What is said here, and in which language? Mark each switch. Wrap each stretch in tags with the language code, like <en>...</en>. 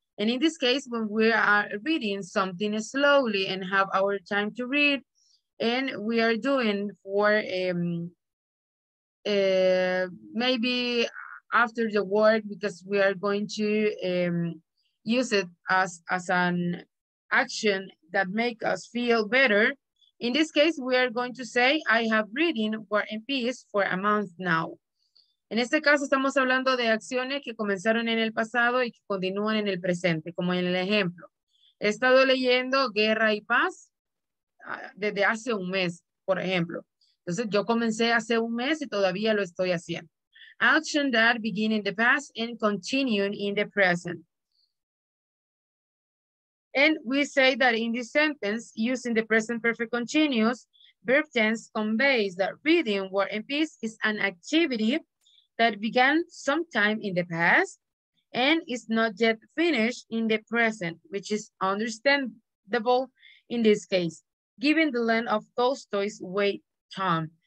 <en>And in this case, when we are reading something slowly and have our time to read, and we are doing for maybe after the work, because we are going to use it as an action that make us feel better. In this case, we are going to say, I have reading War and Peace for a month now.</en> <es>En este caso, estamos hablando de acciones que comenzaron en el pasado y que continúan en el presente, como en el ejemplo. He estado leyendo Guerra y Paz desde hace un mes, por ejemplo. Entonces, yo comencé hace un mes y todavía lo estoy haciendo.</es> <en>Action that begin in the past and continuing in the present. And we say that in this sentence, using the present perfect continuous, verb tense conveys that reading War and Peace is an activity that began sometime in the past and is not yet finished in the present, which is understandable in this case, given the length of Tolstoy's wait time.</en>